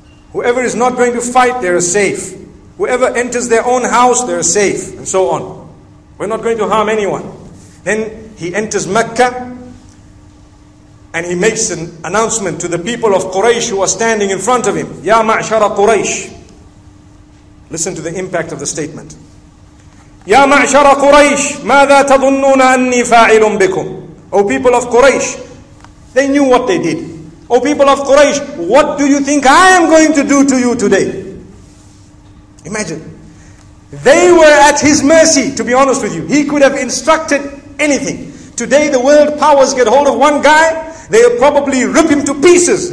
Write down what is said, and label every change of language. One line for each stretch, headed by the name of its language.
English: Whoever is not going to fight, they are safe. Whoever enters their own house, they are safe. And so on. We're not going to harm anyone. Then he enters Mecca and he makes an announcement to the people of Quraysh who are standing in front of him. Ya ma'shara Quraysh. Listen to the impact of the statement.
Arabic: Ya ma'shara Quraysh, ماذا تظنون أني فاعل بكم?
English: O people of Quraysh, they knew what they did. O people of Quraysh, what do you think I am going to do to you today? Imagine. They were at his mercy, to be honest with you. He could have instructed anything. Today the world powers get hold of one guy, they'll probably rip him to pieces.